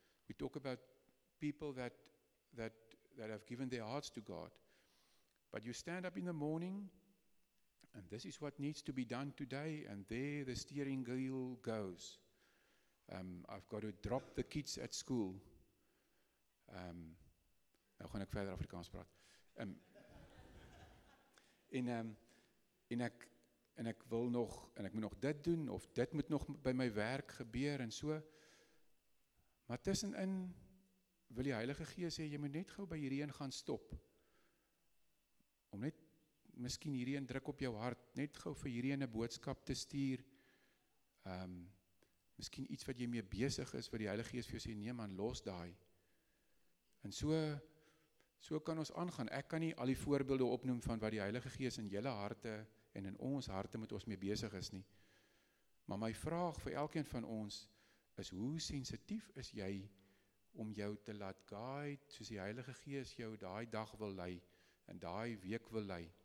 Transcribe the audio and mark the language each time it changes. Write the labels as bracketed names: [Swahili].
[English] We talk about people that have given their hearts to God. But you stand up in the morning, and this is what needs to be done today, and there the steering wheel goes. I've got to drop the kids at school. [Afrikaans] Nou gaan ek verder Afrikaans praat. Ek moet nog dit doen, of dit moet nog by my werk gebeur, en so. Maar tussenin wil die Heilige Gees sê, jy moet net gauw by hierdie een gaan stop. Om net, miskien hierdie een druk op jou hart, net gauw vir hierdie een boodskap te stuur. Miskien iets wat jy mee besig is, wat die Heilige Gees vir jou sê, nee man, los daai. En so kan ons aangaan. Ek kan nie al die voorbeelde opnoem van wat die Heilige Gees in julle harte en in ons harte moet ons mee besig is nie. Maar my vraag vir elkeen van ons is, hoe sensitief is jy om jou te laat guide, soos die Heilige Gees jou daai dag wil lei en daai week wil lei?